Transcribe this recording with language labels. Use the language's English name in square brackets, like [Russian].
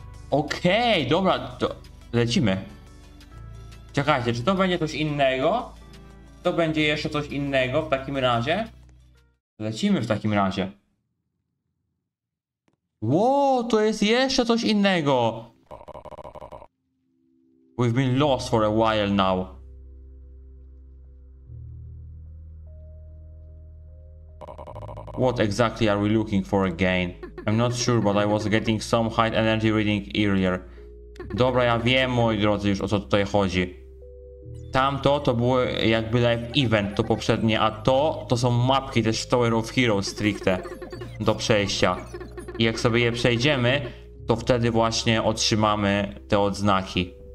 [Polish] Okej, dobra, to lecimy. Czekajcie, czy to będzie coś innego? To będzie jeszcze coś innego w takim razie? Lecimy w takim razie. Wow, to jest jeszcze coś innego! [English] We've been lost for a while now. What exactly are we looking for again? I'm not sure, but I was getting some high energy reading earlier. [Polish] Dobra, ja wiem, moi drodzy, już o co tutaj chodzi. Tamto to było jakby live event, to poprzednie, a to są mapki też Tower of Heroes stricte do przejścia. I jak sobie je przejdziemy, to wtedy właśnie otrzymamy te odznaki.